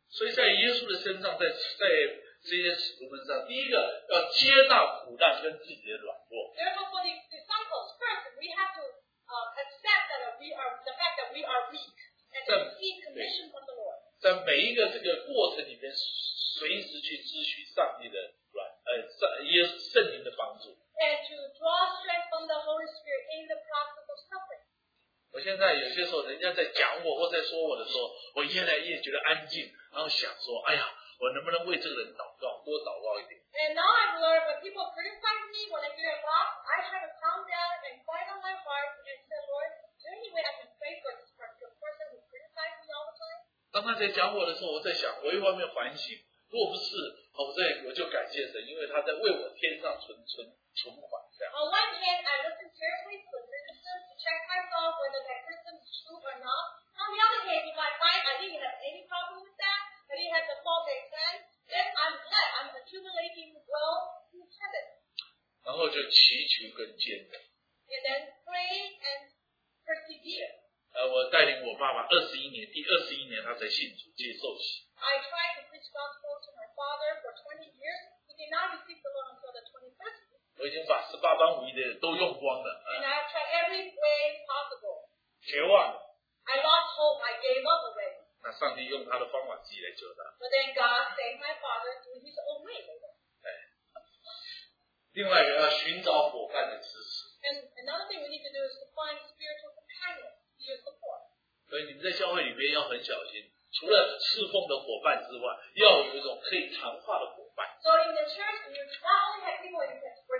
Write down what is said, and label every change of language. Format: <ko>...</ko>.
<zh>所以在耶稣的身上，在这些使徒们上，第一个要接纳苦难跟自己的软弱。</zh> <en>Therefore, for the disciples, first we have to accept that we are the fact that we are weak and receive commission from the Lord.</en> <zh>在每一个这个过程里面，随时去咨询上帝的耶稣圣灵的帮助。</zh> <en>And to draw strength from the Holy Spirit in the process of suffering.</en> <zh>我现在有些时候，人家在讲我或在说我的时候，我越来越觉得安静，然后想说，哎呀，我能不能为这个人祷告，多祷告一点。</zh> <en>And now I've learned when people criticize me, when I get involved, I try to calm down and quiet on my heart and say, Lord, is there any way I can pray for this person who criticizes me all the time?</en> <zh>当他在讲我的时候，我在想，我一方面反省，如果不是，我就感谢神，因为他在为我添上存。</zh> <en>On one hand, I listen carefully to a criticism to check myself whether that criticism is true or not. On the other hand, if I find I didn't have any problem with that, that it has a fault they said, then I'm glad I'm accumulating wealth in heaven.</en> <zh>然后就祈求跟坚忍。</zh> <en>And then pray and persevere.</en> <zh>我带领我爸爸21年，第21年他才信主接受洗。</zh> <en>I tried to preach gospel to my father for 20 years. He did not receive the Lord until the 21st.</en> <zh>我已经把18般武艺的都用光了。</zh> <en>And I tried every way possible.</en> <zh>绝望。</zh> <en>I lost hope. I gave up already.</en> <zh>那上帝用他的方法自己来救他。</zh> <en>But then God saved my father through His own way.</en> <zh>另外一个要寻找伙伴的支持。</zh> <en>And another thing we need to do is to find spiritual companions to your support.</en> <zh>所以你们在教会里面要很小心，除了侍奉的伙伴之外，要有一种可以谈话的伙伴。</zh> <en>So in the church, you not only have people you can.</en>